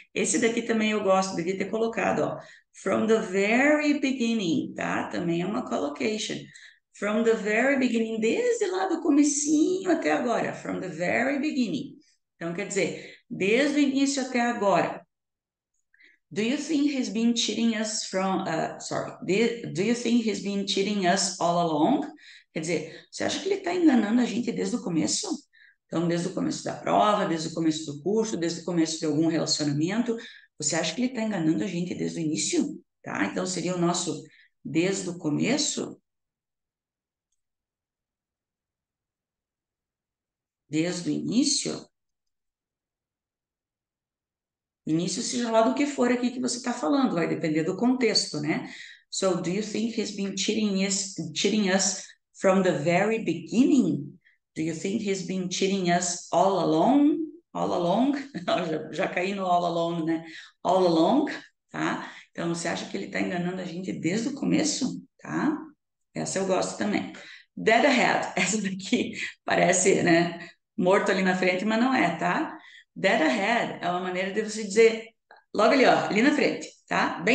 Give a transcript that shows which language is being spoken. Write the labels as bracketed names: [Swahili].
[Portuguese] Esse daqui também eu gosto, devia ter colocado, ó. From the very beginning, tá? Também é uma collocation. [English] From the very beginning, [Portuguese] desde lá do comecinho até agora, [English] from the very beginning. [Portuguese] Então quer dizer, desde o início até agora. [English] Do you think he's been cheating us from, sorry, do you think he's been cheating us all along? [Portuguese] Quer dizer, você acha que ele está enganando a gente desde o começo? Então, desde o começo da prova, desde o começo do curso, desde o começo de algum relacionamento, você acha que ele está enganando a gente desde o início? Tá? Então, seria o nosso desde o começo? Desde o início? Início, seja lá do que for aqui que você está falando, vai depender do contexto, né? [English] So, do you think he's been cheating us from the very beginning? Do you think he's been cheating us all along? [Portuguese] All along? Já caí no all along, né? All along, tá? Então, você acha que ele está enganando a gente desde o começo? Tá? Essa eu gosto também. Dead ahead. Essa daqui parece, né? Morto ali na frente, mas não é, tá? Dead ahead é uma maneira de você dizer logo ali, ó, ali na frente, tá?